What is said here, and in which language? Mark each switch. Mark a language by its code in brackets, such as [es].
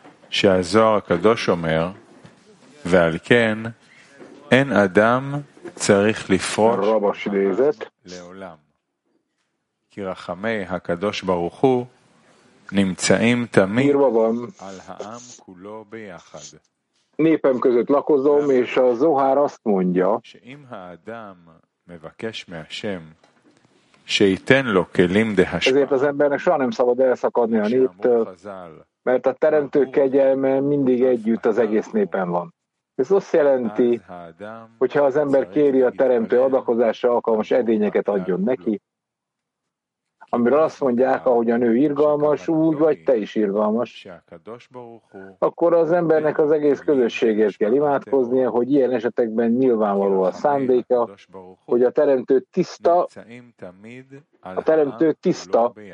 [he] שהזוהר הקדוש אומר, ועל כן, אין אדם צריך לפרוש לעולם. כי רחמי הקדוש ברוך הוא נמצאים תמיד על העם כולו ביחד. [hu] Népem között lakozom, és a Zohár azt mondja, [he] שאם האדם מבקש מהשם שייתן לו כלים דהשפעה, [hu] ezért az embernek soha nem szabad elszakadni a néptől, mert a teremtő kegyelme mindig együtt az egész népen van. Ez azt jelenti, hogyha az ember kéri a teremtő adakozásra alkalmas edényeket adjon neki, amiről azt mondják, ahogyan ő irgalmas, úgy vagy te is irgalmas, akkor az embernek az egész közösségért kell imádkoznia, hogy ilyen esetekben nyilvánvaló a szándéka, hogy a teremtő tiszta